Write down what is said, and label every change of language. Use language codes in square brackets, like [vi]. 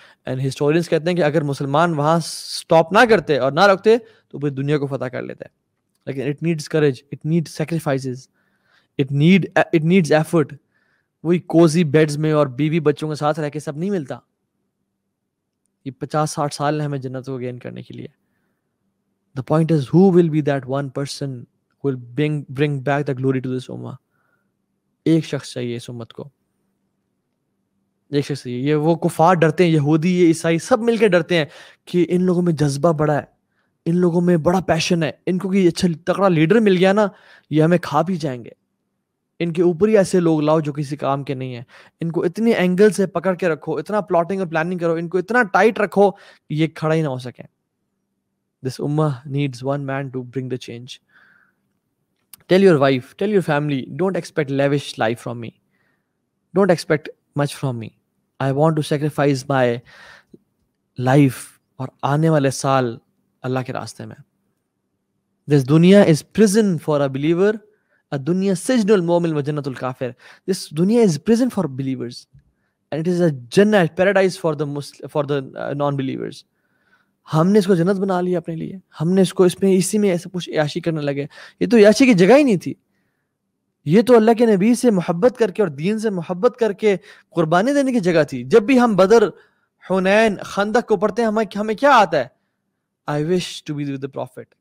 [ur] And historians کہتے ہیں کہ اگر مسلمان وہاں اسٹاپ نہ کرتے اور نہ رکھتے تو پھر دنیا کو فتح کر لیتے. [en] لیکن it needs courage, it need sacrifices, it needs effort. [ur] وہی کوزی بیڈز میں اور بیوی بچوں کے ساتھ رہ کے سب نہیں ملتا. یہ 50-60 سال ہیں ہمیں جنت کو گین کرنے کے لیے. [en] The point is who will be that one person who will bring back the glory to this امہ. [ur] ایک شخص چاہیے اس امت کو, ایک شخص چاہیے. یہ وہ کفار ڈرتے ہیں, یہودی یہ عیسائی سب مل کے ڈرتے ہیں کہ ان لوگوں میں جذبہ بڑا ہے, ان لوگوں میں بڑا پیشن ہے, ان کو کہ اچھا تکڑا لیڈر مل گیا نا یہ ہمیں کھا بھی جائیں گے. ان کے اوپر ہی ایسے لوگ لاؤ جو کسی کام کے نہیں ہیں. ان کو اتنی اینگل سے پکڑ کے رکھو, اتنا پلاٹنگ اور پلاننگ کرو, ان کو اتنا ٹائٹ رکھو یہ کھڑا ہی نہ ہو سکے. [en] This ummah needs one man to bring the change. Tell your wife, tell your family, don't expect lavish life from me, don't expect much from me. I want to sacrifice my life [ur] اور آنے والے سال اللہ کے راستے میں. [en] This dunya is prison for a believer. [ar] دنیا سجن المومن وجنت الکافر. [en] This دنیا is prison for believers and it is a جنت paradise for the non believers. [ur] ہم نے اس کو جنت بنا لیا اپنے لیے, ہم نے اس کو اسی میں ایسا کچھ عیاشی کرنے لگے. یہ تو عیاشی کی جگہ ہی نہیں تھی, یہ تو اللہ کے نبی سے محبت کر کے اور دین سے محبت کر کے قربانی دینے کی جگہ تھی. جب بھی ہم بدر, حنین, خندق کو پڑھتے ہیں ہمیں کیا آتا ہے, [en] I wish to be with the prophet.